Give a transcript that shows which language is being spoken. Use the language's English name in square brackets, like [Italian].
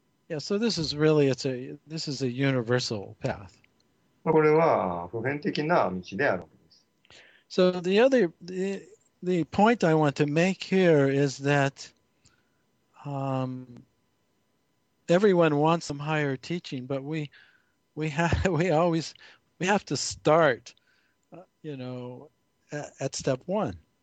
[English] Yeah, so this is really this is a universal path. [Japanese] これは普遍的な道であるわけです。 [English] So the point I want to make here is that everyone wants some higher teaching, but we have to start, at step one.